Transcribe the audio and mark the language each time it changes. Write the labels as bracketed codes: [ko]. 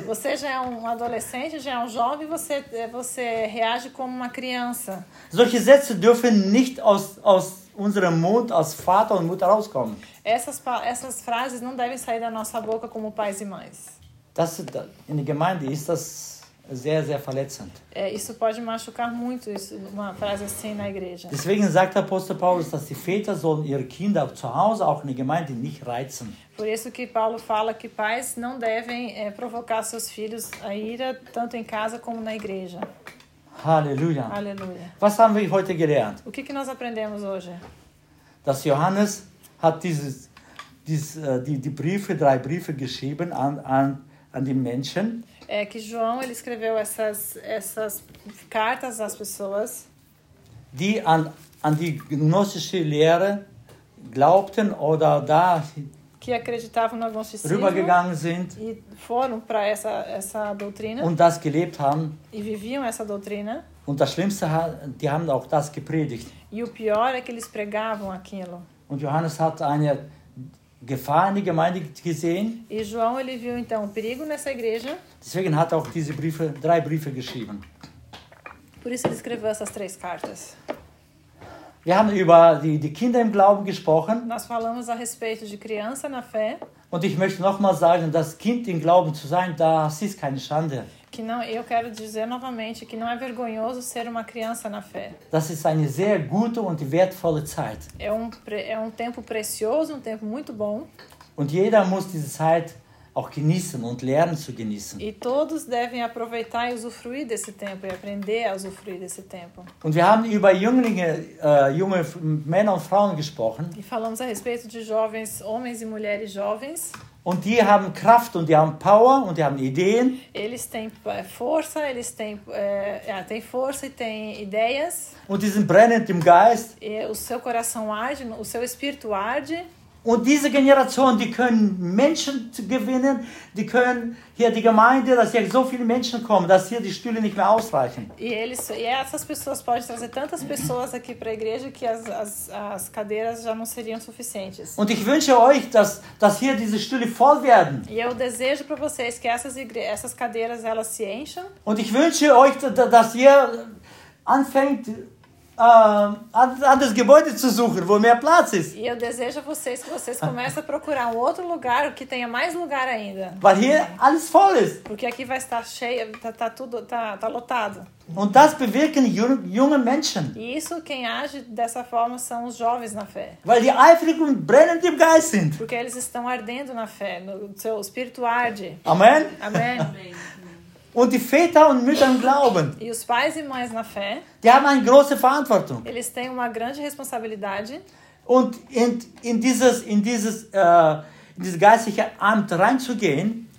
[pt] Você já é um adolescente, já é um jovem, você reage como uma criança. [de] Solche Sätze dürfen nicht aus unserem Mund als Vater und Mutter rauskommen. [pt] Essas frases não devem sair da nossa boca como pais e mães. [de] Das in der Gemeinde ist das sehr sehr verletzend. [pt] É, isso pode machucar muito, isso, uma frase assim na igreja. [de] Deswegen sagt der Apostel Paulus, dass die Väter sollen ihre Kinder zu Hause auch in der Gemeinde nicht reizen. [pt] Por isso que Paulo fala que pais não devem provocar seus filhos à ira tanto em casa como na igreja. [de] Halleluja. [pt] Halleluja. [de] Was haben wir heute gelernt? [pt] O que nós aprendemos hoje? [de] Dass Johannes hat die Briefe, drei Briefe geschrieben an die Menschen. [pt] É que João ele escreveu essas cartas às pessoas. [de] Die an die gnostische Lehre glaubten oder da [pt] que acreditavam no gnosticismo, [de] rübergegangen sind, [pt] e foram para essa doutrina, [de] und das gelebt haben, [pt] e viviam essa doutrina, [de] und das Schlimmste, die haben auch das gepredigt. [pt] E o pior é que eles pregavam aquilo. [de] Und Johannes hat eine Gefahr in die Gemeinde gesehen. [pt] E João ele viu então um perigo nessa igreja. [de] Deswegen hat er auch diese Briefe, drei Briefe geschrieben. [pt] Por isso ele escreveu essas três cartas. [de] Wir haben über die Kinder im Glauben gesprochen. [pt] Nós falamos a respeito de criança na fé. [de] Und ich möchte nochmal sagen, das Kind im Glauben zu sein, das ist keine Schande. [pt] Que não, eu quero dizer novamente que não é vergonhoso ser uma criança na fé. [de] Das ist eine sehr gute und wertvolle Zeit. [pt] É um tempo precioso, um tempo muito bom. [de] Und jeder muss diese Zeit auch genießen und lernen zu genießen. [pt] E todos devem aproveitar e usufruir desse tempo e aprender a usufruir desse tempo. [de] Und wir haben über Jünglinge, junge Männer und Frauen gesprochen. [pt] E falamos a respeito de jovens, homens e mulheres jovens. [de] Und die haben Kraft und die haben Power und die haben Ideen. [pt] Eles têm força, eles têm tem força e têm ideias. [de] Und die sind brennend im Geist. [pt] E o seu coração arde, o seu espírito arde. [de] Und diese Generation, die können Menschen gewinnen, die können hier die Gemeinde, dass hier so viele Menschen kommen, dass hier die Stühle nicht mehr ausreichen. [pt] Essas pessoas podem trazer tantas pessoas aqui para a igreja que as cadeiras já não seriam suficientes. [de] Und ich wünsche euch, dass hier diese Stühle voll werden. [pt] E eu desejo para vocês que essas cadeiras elas se encham. [de] Und ich wünsche euch, dass ihr anfängt anderes Gebäude zu suchen, wo mehr Platz ist. [pt] E eu desejo a vocês que vocês comecem a procurar um outro lugar que tenha mais lugar ainda. [de] Weil hier alles voll ist. [pt] Porque aqui vai estar cheio, tá lotado. [de] Und das bewirken junge Menschen. [pt] E isso quem age dessa forma são os jovens na fé. [de] Weil die eifrig und brennend im Geist sind. [pt] Porque eles estão ardendo na fé, no seu espírito arde. [de] Amen. [pt] Amen. [de] Und die Väter und Mütter glauben. [pt] E os pais e mães na fé. [de] Die haben eine große Verantwortung. [pt] Eles têm uma grande responsabilidade. [de] Und in dieses geistliche Amt reinzugehen.